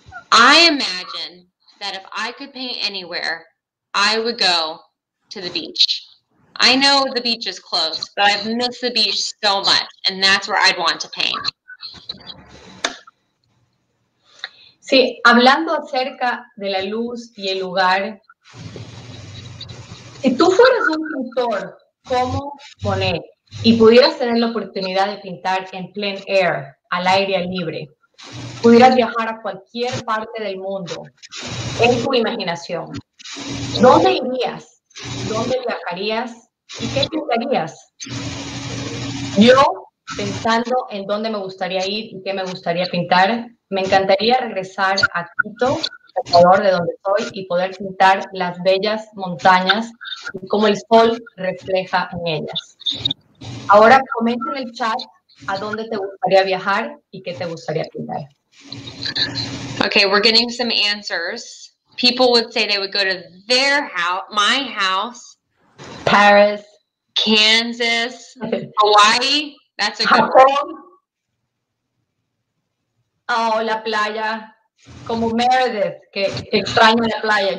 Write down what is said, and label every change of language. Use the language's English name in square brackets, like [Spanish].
[English] I imagine that if I could paint anywhere, I would go to the beach. I know the beach is close, but I've missed the beach so much, and that's where I'd want to paint. [Spanish] Sí, hablando acerca de la luz y el lugar, si tú fueras un pintor, ¿cómo poner? Y pudieras tener la oportunidad de pintar en plein air, al aire libre. Pudieras viajar a cualquier parte del mundo en tu imaginación. ¿Dónde irías? ¿Dónde viajarías? ¿Y qué pintarías? Yo, pensando en dónde me gustaría ir y qué me gustaría pintar, me encantaría regresar a Quito, Ecuador, de donde soy, y poder pintar las bellas montañas y cómo el sol refleja en ellas. Ahora comenta en el chat a dónde te gustaría viajar y qué te gustaría pintar. [English] Okay, we're getting some answers. People would say they would go to their house, my house, Paris, Kansas, Hawaii. That's a good one. [Spanish] Oh, la playa. Como Meredith, que extraño la playa.